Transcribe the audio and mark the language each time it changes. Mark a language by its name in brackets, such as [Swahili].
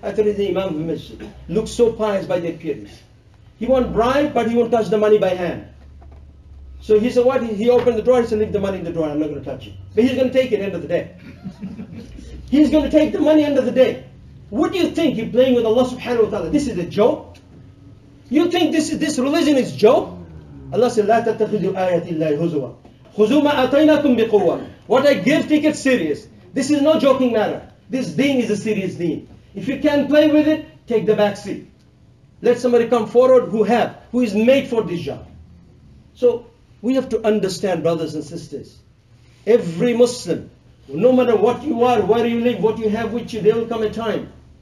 [English] I thought he's the Imam of the Masjid. Looks so pious by the appearance. He won't bribe, but he won't touch the money by hand. So he said, what? He opened the drawer, he said, leave the money in the drawer, I'm not going to touch it. But he's going to take it end of the day. He's going to take the money end of the day. What do you think? You're playing with Allah subhanahu wa ta'ala. This is a joke? You think this religion is a joke? Allah said, [Arabic] لا تتخذوا آيات الله هزوا. خُذُوا مَا أَتَيْنَاكُمْ بِقُوَّةٍ. [English] What I give, take it serious. This is no joking matter. This deen is a serious deen. If you can't play with it, take the back seat. Let somebody come forward who is made for this job. So we have to understand, brothers and sisters, every Muslim, no matter what you are, where you live, what you have with you, there will come a time.